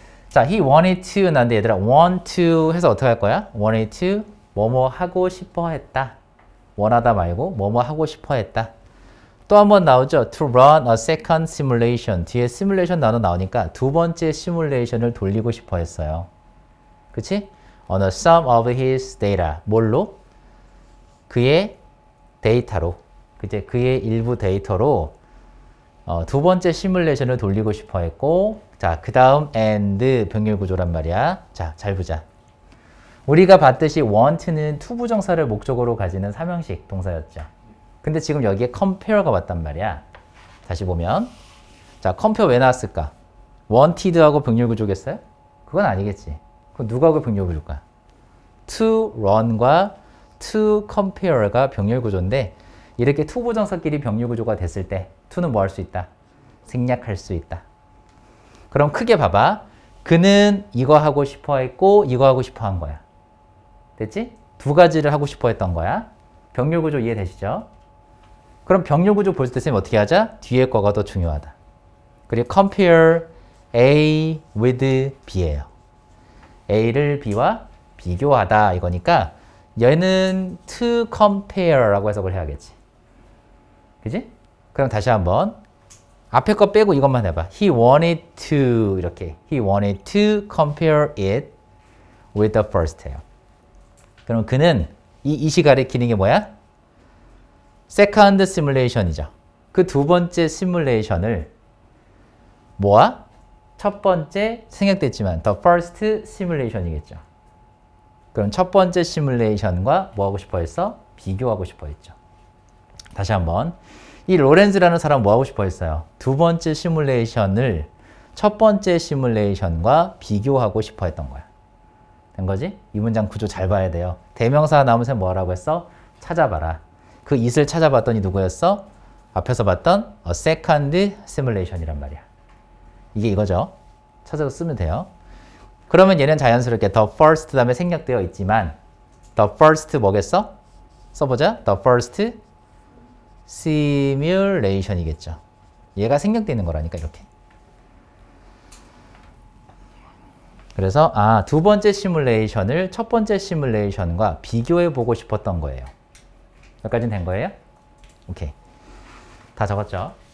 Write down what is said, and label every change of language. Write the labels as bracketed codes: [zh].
[ko] 자, he wanted to 난데 얘들아 want to 해서 어떻게 할 거야? wanted to 뭐뭐 하고 싶어 했다. 원하다 말고 뭐뭐 하고 싶어 했다. 또 한 번 나오죠? [en] to run a second simulation. [ko] 뒤에 simulation 단어 나오니까 두 번째 시뮬레이션을 돌리고 싶어 했어요. 그치? on a sum of his data. 뭘로? 그의 데이터로. 그제 그의 일부 데이터로 두 번째 시뮬레이션을 돌리고 싶어 했고 자, 그 다음 and 병렬 구조란 말이야. 자, 잘 보자. 우리가 봤듯이 want는 to 부정사를 목적으로 가지는 삼형식 동사였죠. 근데 지금 여기에 compare가 왔단 말이야. 다시 보면 자, compare 왜 나왔을까? wanted하고 병렬 구조겠어요? 그건 아니겠지. 그럼 누구하고 병렬 구조일까? to run과 to compare가 병렬 구조인데 이렇게 to 부정사끼리 병렬 구조가 됐을 때 to는 뭐 할 수 있다? 생략할 수 있다. 그럼 크게 봐봐. 그는 이거 하고 싶어 했고 이거 하고 싶어 한 거야. 됐지? 두 가지를 하고 싶어 했던 거야. 병렬 구조 이해되시죠? 그럼 병렬 구조 볼 때쌤 어떻게 하자? 뒤에 거가 더 중요하다. 그리고 compare A with B예요. A를 B와 비교하다 이거니까 얘는 to compare라고 해석을 해야겠지. 그지? 그럼 다시 한번 앞에 거 빼고 이것만 해봐. [en] He wanted to 이렇게 He wanted to compare it with the first예요. [ko] 그럼 그는 이시 가리키는 게 뭐야? Second simulation이죠. 그 두 번째 simulation을 뭐와? 첫 번째 생략됐지만 the first simulation이겠죠. 그럼 첫 번째 simulation과 뭐하고 싶어 했어? 비교하고 싶어 했죠. 다시 한번 이 로렌즈라는 사람 뭐하고 싶어 했어요? 두 번째 simulation을 첫 번째 simulation과 비교하고 싶어 했던 거야. 된 거지? 이 문장 구조 잘 봐야 돼요. 대명사 나온 셈 뭐라고 했어? 찾아봐라. 그 it을 찾아봤더니 누구였어? 앞에서 봤던 a second simulation이란 말이야. 이게 이거죠. 찾아서 쓰면 돼요. 그러면 얘는 자연스럽게 the first 다음에 생략되어 있지만 the first 뭐겠어? 써보자. the first simulation이겠죠. 얘가 생략되는 거라니까 이렇게. 그래서 아, 두 번째 시뮬레이션을 첫 번째 시뮬레이션과 비교해 보고 싶었던 거예요. 여기까지는 된 거예요? 오케이. 다 적었죠?